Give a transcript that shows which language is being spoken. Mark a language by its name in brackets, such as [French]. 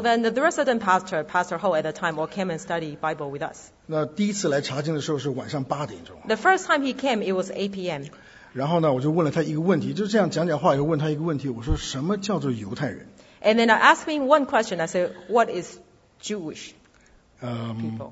[English] then there was a certain pastor, Pastor Ho at the time, or came and studied Bible with us. [Chinese] 那第一次来查经的时候是晚上八点钟。 [English] The first time he came, it was 8 p.m. [Chinese] 然后呢，我就问了他一个问题，就是这样讲讲话，又问他一个问题，我说什么叫做犹太人？ [English] And then I asked him one question. I said, "What is Jewish people?